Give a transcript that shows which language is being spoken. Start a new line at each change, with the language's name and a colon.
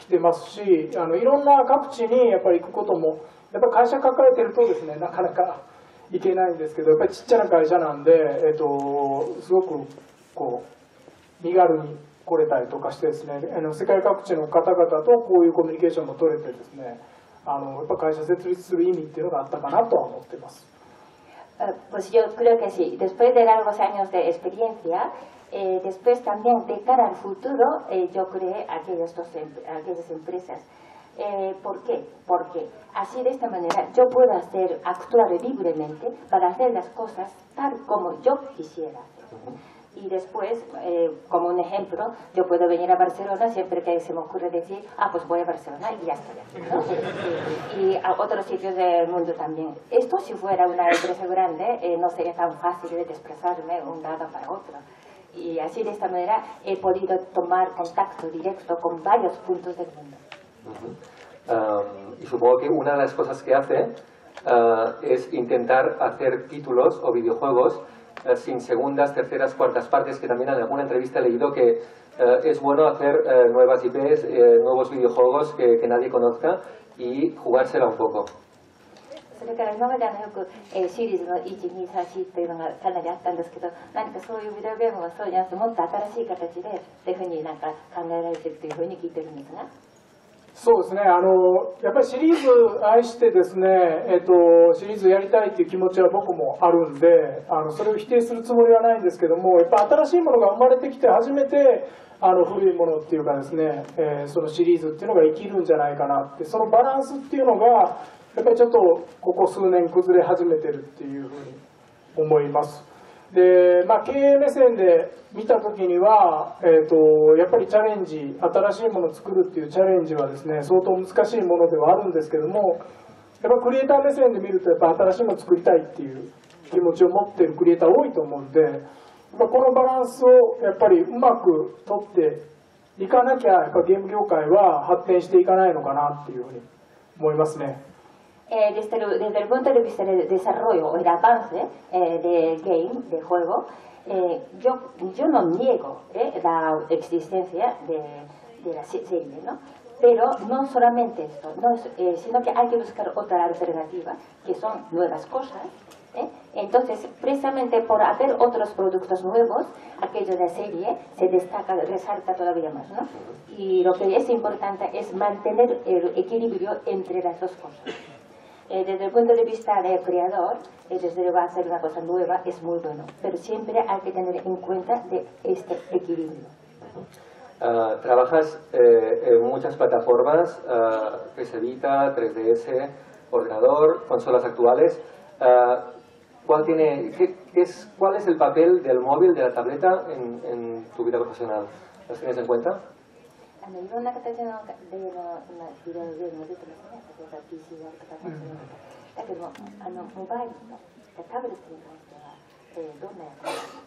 Japanese: 今それまでの経験を生かして、それに基づいた新しいジャンルっていうのをね、作ろうと、そんな感じになると思うんですか。そうですね、やっぱり長年のゲーム作りの経験とですね、やっぱり未来に向かってですね、自分の考えることとかやりたいことが自由にできるところでですね、こうやって、バルセロナにも、軽くっていうか変な形ですけども、来てますし、いろんな各地にやっぱり行くことも、 やっぱ会社抱えてるとですね、なかなか行けないんですけど、やっぱりちっちゃな会社なんで、すごくこう身軽に来れたりとかしてですね、世界各地の方々とこういうコミュニケーションも取れてですね、やっぱ会社設立する意味っていうのがあったかなとは思ってます。
Spanish: Pues yo creo que sí. Después de largos años de experiencia, después también de cara al futuro, yo creé aquellas empresas. ¿Por qué? Porque así de esta manera yo puedo hacer actuar libremente para hacer las cosas tal como yo quisiera. Y después, como un ejemplo, yo puedo venir a Barcelona siempre que se me ocurre decir, ah, pues voy a Barcelona y ya está, ¿no? Y a otros sitios del mundo también. Esto si fuera una empresa grande, no sería tan fácil de desplazarme un lado para otro. Y así de esta manera he podido tomar contacto directo con varios puntos del mundo. Y supongo que una de las cosas que hace es intentar hacer títulos o videojuegos sin segundas, terceras, cuartas partes, que también en alguna entrevista he leído que es bueno hacer nuevas IPs, nuevos videojuegos que nadie conozca y jugársela un poco.
Japanese: それから今まであのよく、シリーズの1、2、3、4というのがかなりあったんですけど、何かそういうビデオゲームはそうじゃなくて、もっと新しい形で、というふうになんか考えられているというふうに聞いてるんですが。そうですね、やっぱりシリーズ愛してですね、シリーズやりたいという気持ちは僕もあるんで、それを否定するつもりはないんですけども、やっぱ新しいものが生まれてきて初めて、古いものっていうかですね、そのシリーズっていうのが生きるんじゃないかなって、そのバランスっていうのが、やっぱりちょっとここ数年崩れ始めてるっていうふうに思います。で、まあ経営目線で見た時には、やっぱりチャレンジ、新しいものを作るっていうチャレンジはですね、相当難しいものではあるんですけども、やっぱクリエイター目線で見るとやっぱ新しいものを作りたいっていう気持ちを持っているクリエイター多いと思うんで、まあ、このバランスをやっぱりうまく取っていかなきゃ、やっぱゲーム業界は発展していかないのかなっていうふうに思いますね。
Spanish: Desde el punto de vista del desarrollo o el avance de game, de juego, yo no niego la existencia de la serie, ¿no? Pero no solamente esto, sino que hay que buscar otra alternativa, que son nuevas cosas. Entonces, precisamente por hacer otros productos nuevos, aquello de serie se destaca, resalta todavía más, ¿no? Y lo que es importante es mantener el equilibrio entre las dos cosas. Desde el punto de vista del creador, desde luego hacer una cosa nueva es muy bueno, pero siempre hay que tener en cuenta de este equilibrio. Trabajas en muchas plataformas, PS Vita, 3DS, ordenador, consolas actuales. ¿Cuál es el papel del móvil, de la tableta en tu vida profesional? ¿Las tienes en cuenta?
Japanese: いろんな形のゲームを今、いろいろゲームが出てますね。例えば PC だとか、だけども、モバイルの、タブレットに関しては、どんな役割を。